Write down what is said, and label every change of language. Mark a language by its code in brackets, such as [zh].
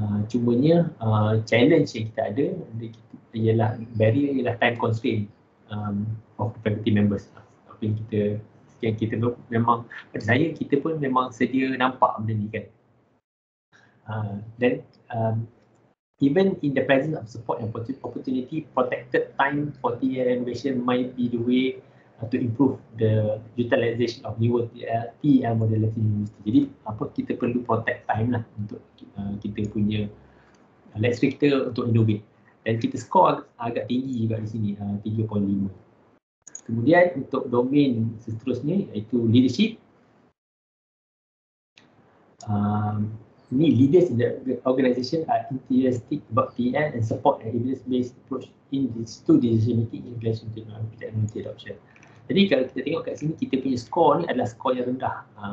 [en] Cumanya challenge [ms] yang kita ada ialah [en] barrier ialah time constraint of the faculty members. [ms] Apa yang kita memang pada saya kita pun memang sedia nampak benda ni kan. [en] Dan even in the presence of support and opportunity, protected time for TL innovation might be the way to improve the utilization of newer TL modality university. [ms] Jadi apa kita perlu protect time lah untuk kita punya less stricter untuk innovate. Dan kita skor agak tinggi juga di sini, 3.5. Kemudian untuk domain seterusnya iaitu leadership. [en] Ini leaders in the organisation are enthusiastic about TL and support an evidence-based approach in this to decision making in relation to technology adoption. [ms] Jadi kalau kita tengok kat sini, kita punya skor ni adalah skor yang rendah.